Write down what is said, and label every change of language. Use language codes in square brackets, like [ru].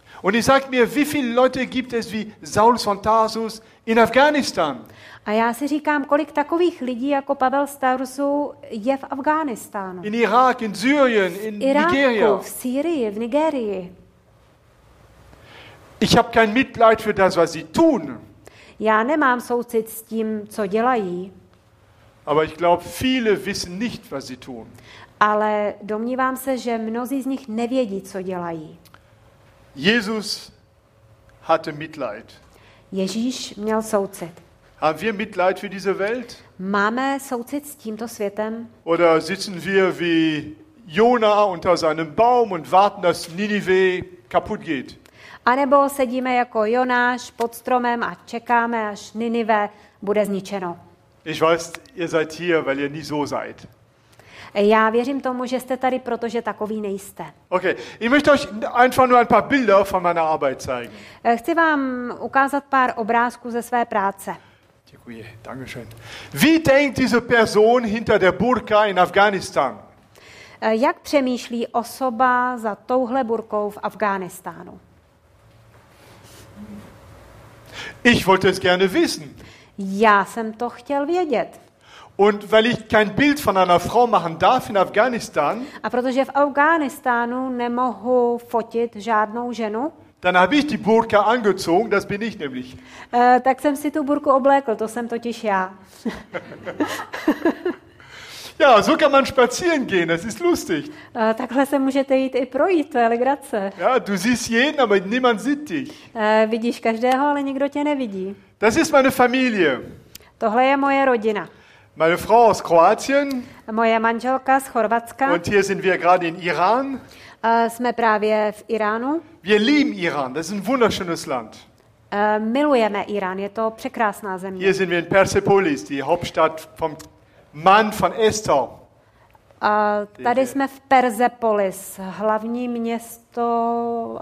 [de] Und ich sag mir, wie viele Leute gibt es wie Saul von Tarsus in Afghanistan? [cs] A já si říkám, kolik takových lidí jako Pavel z Tarsu je v Afghánistánu. [de] In Irak, in Syrien, in Nigeria. [cs] V Sýrii, v Nigerii. [de] Ich habe kein Mitleid für das, was sie tun. [cs] Já nemám soucit s tím, co dělají. [de] Aber ich glaube, viele wissen nicht, was sie tun. [cs] Ale domnívám se, že mnozí z nich nevědí, co dělají. [de] Jesus hatte Mitleid. [cs] Ježíš měl soucit. [de] Haben wir Mitleid für diese Welt? [cs] Máme soucit s tímto světem? [de] Oder sitzen wir wie Jonah unter seinem Baum und warten, dass Ninive kaputt geht? [cs] A nebo sedíme jako Jonáš pod stromem a čekáme, až Ninive bude zničeno. [de] Ich weiß, ihr seid hier, weil ihr nicht so seid. [cs] Já věřím tomu, že jste tady, protože takový nejste. [de] Okay, ich möchte euch einfach nur ein paar Bilder von meiner Arbeit zeigen. [cs] Chci vám ukázat pár obrázků ze své práce. Děkuji, [de] danke schön. Wie denkt diese Person hinter der Burka in Afghanistan? [cs] Jak přemýšlí osoba za touhle burkou v Afghánistánu? [de] Ich wollte es gerne wissen. [cs] Já jsem to chtěl vědět. [de] Und weil ich kein Bild von einer Frau machen darf in Afghanistan. [cs] A protože v Afghánistánu nemohu fotit žádnou ženu. [de] Dann habe ich die Burka angezogen, das bin ich nämlich. [cs] Tak jsem si tu burku oblékl, to jsem totiž já. [de] Ja, so kann man spazieren gehen, das ist lustig. [cs] Takhle se můžete jít i projít, to je legrace. [de] Ja, du siehst jeden, aber niemand sieht dich. [cs] Vidíš každého, ale nikdo tě nevidí. [de] Das ist meine Familie. [cs] Tohle je moje rodina. [de] Meine Frau aus Kroatien. [cs] Moje manželka z Chorvatska. [de] Und hier sind wir gerade in Iran. [cs] Jsme právě v Iránu. [de] Wir lieben Iran, das ist ein wunderschönes Land. [cs] Milujeme Irán, je to překrásná země. [de] Hier sind wir in Persepolis, die Hauptstadt vom Mann von Esther. [cs] Tady jsme v Persepolis, hlavní město.